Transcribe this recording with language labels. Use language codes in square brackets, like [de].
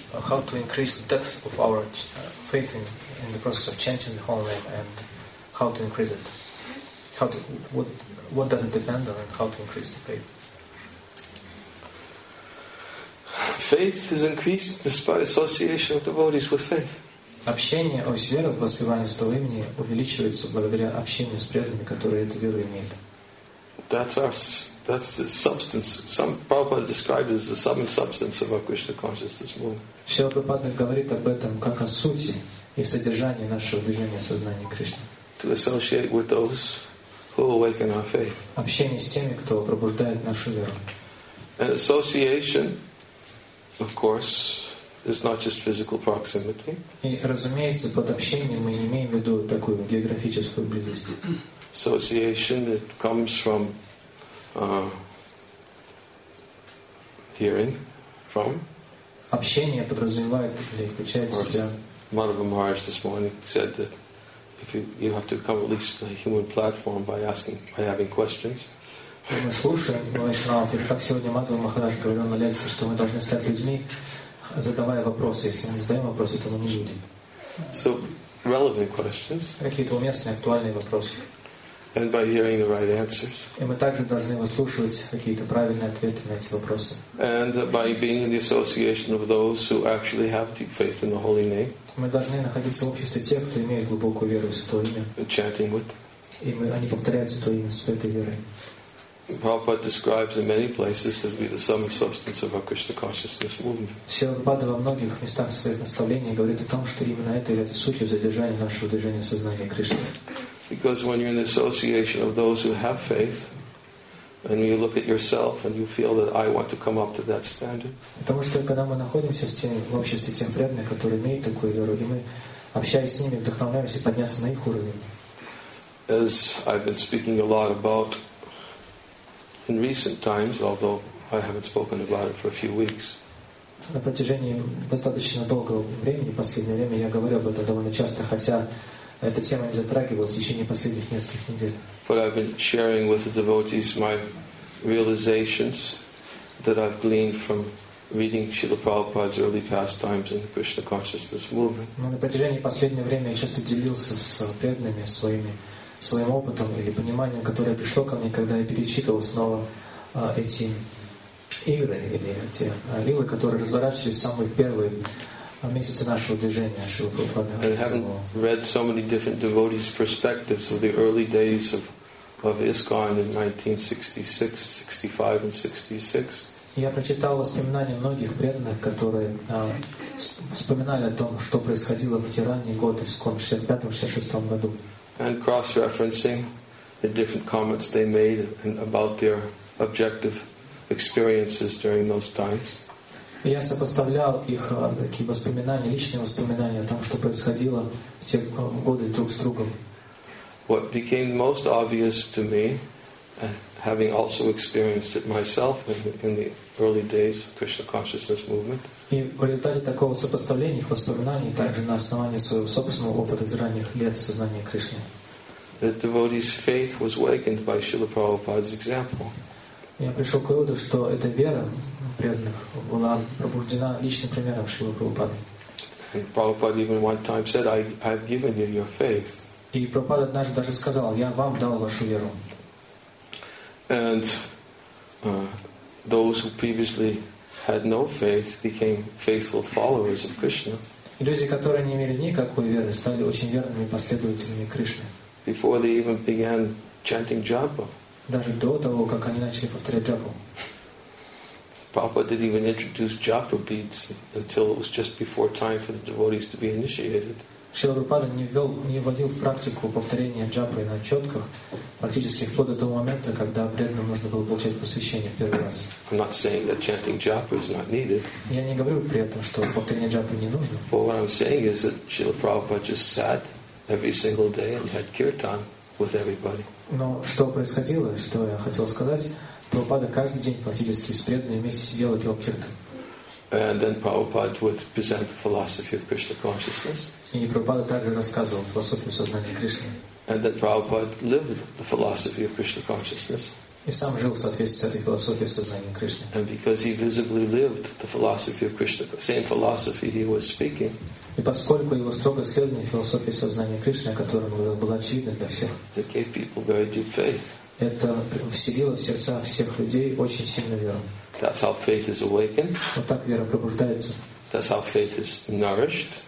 [en] How to increase the depth of our faith in the process of chanting the holy name and how to increase it? How to what does it depend on and how to increase the faith? Faith is increased despite association of devotees with faith. [ru] Общение с верой в воспевании святого имени увеличивается благодаря общению с преданными, которые эту веру имеют. [en] That's the substance. Some Prabhupada described it as the sum and substance of our Krishna consciousness movement. [ru] Шрила Прабхупада говорит об этом как о сути и содержании нашего движения сознания Кришны. [en] To associate with those who awaken our faith. [ru] Общение с теми, кто пробуждает нашу веру. [en] And association, of course, it's not just physical proximity. [ru] И, разумеется, под общением мы имеем в виду такую географическую близость. [en] Association, it comes from hearing, from. [ru] Общение подразумевает или включает в себя. [en] Madhava Maharaj this morning said that if you have to come at least a human platform by having questions. [ru] Мы слушаем, но если как сегодня Мадхава Махарадж говорил на лекции, что мы должны стать людьми. Задавая вопросы, если мы задаем вопросы, то мы не люди. [en] So, relevant questions. [ru] Какие-то уместные, актуальные вопросы. [en] And by hearing the right answers. [ru] И мы также должны выслушивать какие-то правильные ответы на эти вопросы. [en] And by being in the association of those who actually have deep faith in the holy name. [ru] Мы должны находиться в обществе тех, кто имеет глубокую веру в святое имя. [en] And chanting with. [ru] И они повторяют святое имя с этой верой. [en] Prabhupada describes in many places to be the sum and substance of our Krishna consciousness movement. [ru] Srila Prabhupada во многих местах своих наставлений говорит о том, что именно это является сутью задержания нашего движения сознания Кришны. [en] Because when you're in the association of those who have faith, and you look at yourself and you feel that I want to come up to that standard. [ru] Потому что когда мы находимся с теми в обществе тем преданных, которые имеют такую веру, и мы общаясь с ними, вдохновляемся подняться на их уровень. [en] As I've been speaking a lot about. In recent times, although I haven't spoken about it for a few weeks, [ru] на протяжении достаточно долгого времени, последнее время я говорю об этом довольно часто, хотя эта тема не затрагивалась в течение последних нескольких недель. [en] But I've been sharing with the devotees my realizations that I've gleaned from reading Srila Prabhupada's early pastimes in the Krishna consciousness movement. [ru] Но на протяжении последнего времени я часто делился с преданными своим опытом или пониманием, которое пришло ко мне, когда я перечитывал снова эти игры или эти лилы, которые разворачивались в самые первые месяцы нашего движения Шрила Прабхупады. [en] I haven't read so many different devotees' perspectives of the early days of ISKCON in 1966, 65 and 66. [ru] Я прочитал воспоминания многих преданных, которые вспоминали о том, что происходило в те ранние годы, в 65-66 году. [en] And cross-referencing the different comments they made and about their objective experiences during those times. [ru] Я сопоставлял их такие воспоминания, личные воспоминания о том, что происходило в те годы друг с другом. [en] What became most obvious to me, having also experienced it myself in the early days of Krishna consciousness movement. [ru] И в результате такого сопоставления их воспоминаний, также на основании своего собственного опыта из ранних лет сознания Кришны. [en] The devotee's faith was awakened by Srila Prabhupada's example. [ru] Я пришел к выводу, что эта вера преданных была пробуждена личным примером Шрилы Прабхупады. [en] And Prabhupada even one time said, I've given you your faith. [ru] И Прабхупада однажды даже сказал, я вам дал вашу веру. [en] And those who previously had no faith became faithful followers of Krishna. [ru] Люди, которые не имели никакой веры, стали очень верными последователями Кришны. [en] Before they even began chanting japa. [ru] Даже до того, как они начали повторять джапу. [en] Prabhupada didn't even introduce japa beads until it was just before time for the devotees to be initiated. [ru] Шрила Прабхупада не вводил в практику повторение джапы на четках практически вплоть до того момента, когда преданным нужно было получать посвящение в первый раз. [en] I'm not saying that chanting japa is not needed. [ru] Я не говорю при этом, что повторение джапы не нужно. [en] But what I'm saying is that Srila Prabhupada just sat every single day and had kirtan with everybody. [ru] Но что происходило, что я хотел сказать, Прабхупада каждый день практически с преданными вместе сидел и пел киртан. [en] And then Prabhupada would present the philosophy of Krishna consciousness. [ru] И Прабхупада также рассказывал философию сознания Кришны. [en] And then Prabhupada lived the philosophy of Krishna consciousness. [ru] И сам жил в соответствии с этой философией сознания Кришны. [en] And because he visibly lived the philosophy of Krishna, same philosophy he was speaking. [ru] И поскольку его строго следование философии сознания Кришны, о котором он говорил, было очевидно для всех. [en] It gave people very deep faith. [ru] Это вселило в сердца всех людей очень сильную веру. [en] That's how faith is awakened. [ru] Вот так вера пробуждается. [en] That's how faith is nourished.